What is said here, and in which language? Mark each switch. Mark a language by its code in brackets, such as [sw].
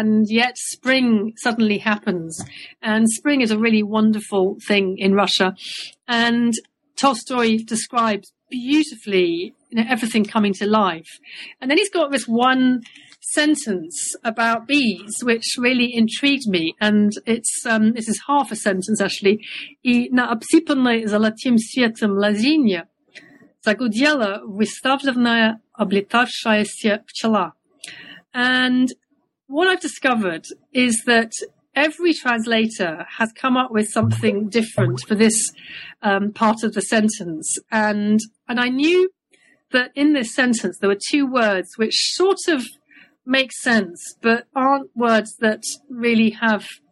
[en] And yet spring suddenly happens. And spring is a really wonderful thing in Russia. And Tolstoy describes beautifully, you know, everything coming to life. And then he's got this one sentence about bees, which really intrigued me. And it's this is half a sentence, actually. [ru] И на обсыпанной золотым светом лозине загудела выставленная облетавшаяся пчела. [en] And what I've discovered is that every translator has come up with something different for this part of the sentence. And I knew that in this sentence, there were two words which sort of make sense, but aren't words that really have